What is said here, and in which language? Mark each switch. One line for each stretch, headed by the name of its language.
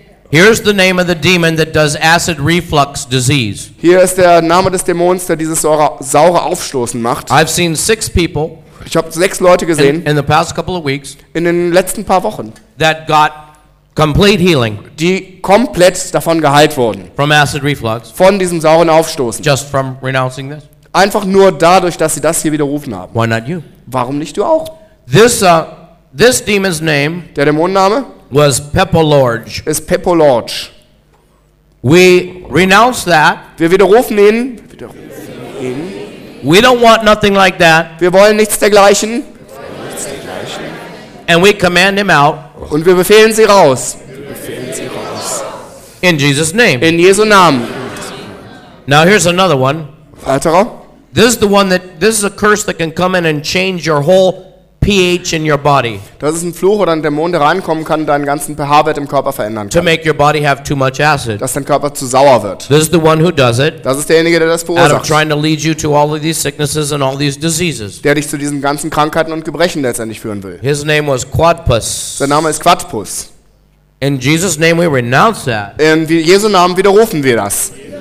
English: Here's the name of the demon that does acid reflux disease.
German: Hier ist der Name des Dämons, der dieses saure Aufstoßen macht.
English: I've seen six people.
German: Ich habe sechs Leute gesehen.
English: In the past couple of weeks.
German: In den letzten paar Wochen.
English: That got complete healing.
German: Die komplett davon geheilt wurden.
English: From acid reflux.
German: Von diesem sauren Aufstoßen.
English: Just from renouncing this.
German: Einfach nur dadurch, dass sie das hier widerrufen haben.
English: Why not you?
German: Warum nicht du auch?
English: This demon's name.
German: Der Dämonenname
English: was Pepolorge.
German: Ist Pepolorge.
English: We renounce that.
German: Wir widerrufen ihn.
English: We don't want nothing like that.
German: Wir wollen nichts dergleichen.
English: And we command him out.
German: Und wir befehlen sie raus.
English: In Jesus' name.
German: In Jesu Namen.
English: Now here's another one.
German: Weiterer.
English: This is the one that this is a curse that can come in and change your whole pH in your body.
German: Das ist ein Fluch oder ein Dämon, der reinkommen kann, deinen ganzen pH-Wert im Körper verändern kann.
English: To make your body have too much acid.
German: Dass dein Körper zu sauer wird.
English: This is the one who does it.
German: Das ist derjenige, der das verursacht.
English: Out of trying to lead you to all of these sicknesses and all these diseases.
German: Der dich zu diesen ganzen Krankheiten und Gebrechen letztendlich führen will.
English: His name was Quadpus.
German: Sein Name ist Quadpus.
English: In Jesus' name we renounce that.
German: In Jesu Namen widerrufen wir das.